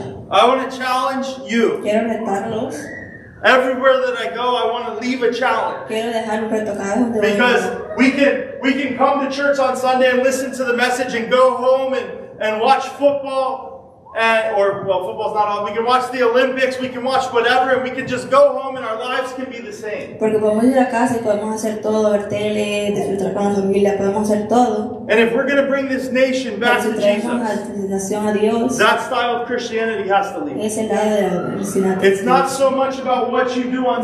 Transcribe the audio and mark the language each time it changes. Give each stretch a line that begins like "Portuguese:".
English: I want to challenge you. Everywhere that I go, I want to leave a challenge. Because we can come to church on Sunday and listen to the message and go home and watch football. Football's not on. We can watch the Olympics, we can watch whatever, and we can just go home and our lives can be the same.
Spanish: Porque podemos ir a casa y podemos hacer todo, ver tele, disfrutar con la familia, podemos hacer todo.
English: And if we're going to bring this nation back
Spanish: si
English: to Jesus,
Spanish: nación a Dios,
English: that style of Christianity has to leave.
Spanish: Es el lado de la cristianidad.
English: It's not so much about what you do on